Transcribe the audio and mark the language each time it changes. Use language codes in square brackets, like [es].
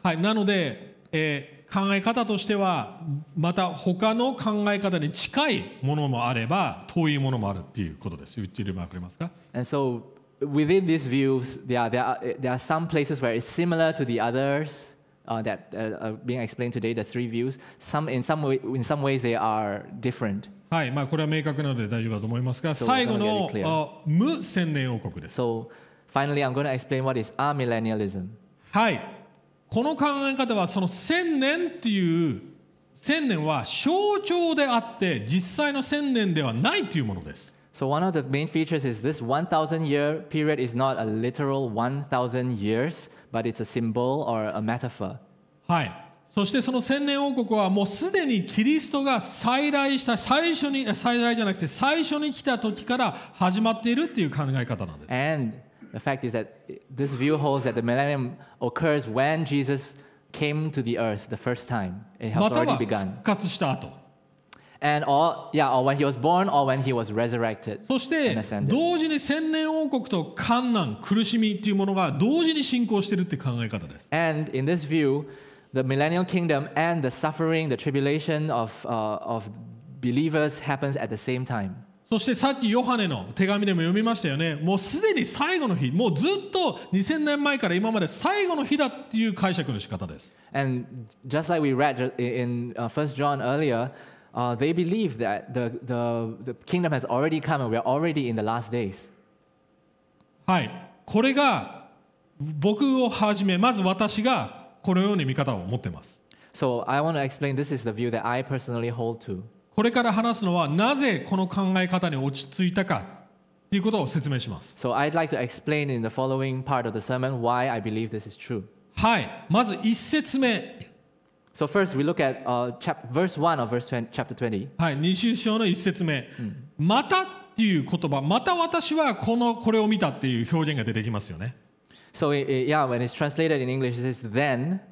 [ja] はい、なので、考え方としてはまた他の考え方に近いものもあれば遠いものもあるっていうことです。言ってるまくれますか？ [en] And so within these views, there are some places where it's similar to the others that are being explained today. The three views, in some ways they are different. [ja] はい、まあこれは明確なので大丈夫だと思いますが、最後の無千年王国です。 [en] So finally, I'm going to explain what is amillennialism. [ja] はい。この考え方はその千年という千年は象徴であって実際の千年ではないというものです。 [en] So one of the main features is this 1,000 year period is not a literal 1,000 years, but it's a symbol or a metaphor. [ja] はい。そしてその千年王国はもうすでにキリストが再来した最初に再来じゃなくて最初に来た時から始まっているという考え方なんです。 [en] And the fact is that this view holds that the millennium occurs when Jesus came to the earth the first time. It has already begun. [ja] または復活した後。 [en] And or when he was born or when he was resurrected. [ja] そして同時に千年王国と患難苦しみというものが同時に進行しているって考え方です。 [en] And in this view, the millennial kingdom and the suffering, the tribulation of believers happens at the same time. [ja] そしてさっきヨハネの手紙でも読みましたよね。もうすでに最後の日、もうずっと2000年前から今まで最後の日だっていう解釈の仕方です。 [en] And just like we read in 1 John earlier, they believe that the kingdom has already come and we are already in the last days. [ja] はい。これが僕をはじめ、まず私がこのように見方を持ってます。 [en] So I want to explain this is the view that I personally hold to. [ja] これから話すのはなぜこの考え方に落ち着いたかということを説明します。 [en] So I'd like to explain in the following part of the sermon why I believe this is true. [ja] はい、まず一節目。 [en] So first we look at verse 1 of verse 20, chapter 20. [ja] はい、二章の一節目。またっていう言葉、また私はこれを見たっていう表現が出てきますよね。 [en] So when it's translated in English, it says then